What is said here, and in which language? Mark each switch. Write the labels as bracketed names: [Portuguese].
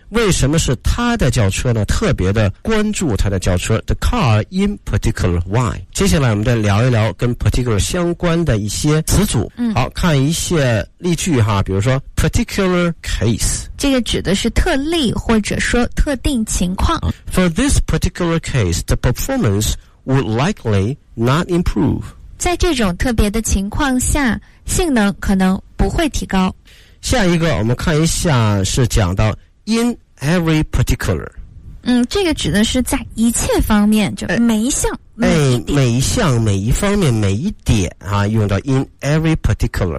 [Chinese] 为什么是他的轿车呢？特别的关注他的轿车 ， [English] the car in particular. Why？ [Chinese] 接下来我们再聊一聊跟 particular 相关的一些词组。嗯，好看一些例句哈，比如说 [English] particular case， [Chinese] 这个指的是特例或者说特定情况。 [English] For this particular case, the performance would likely not improve。 [Chinese] 在这种特别的情况下，性能可能不会提高。下一个我们看一下是讲到。 [English] In every particular， [Chinese] 嗯，这个指的是在一切方面，就每一项、每一项、每一方面、每一点啊，用到 [English] in every particular。